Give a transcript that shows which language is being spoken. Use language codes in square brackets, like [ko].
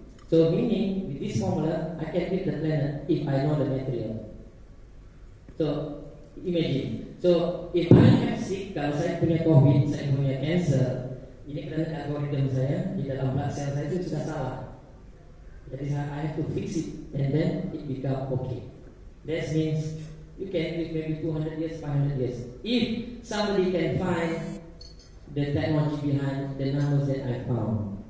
[en] So meaning with this formula, I can build the planet if I know the material. So imagine. So if I have sick, [id] kalau saya punya COVID, saya punya cancer, ini karena algoritma saya di dalam blood cell saya itu sudah salah. [en] Jadi I have to fix it and then it become okay. That means you can live maybe 200 years, 500 years. If somebody can find the technology behind the numbers that I found.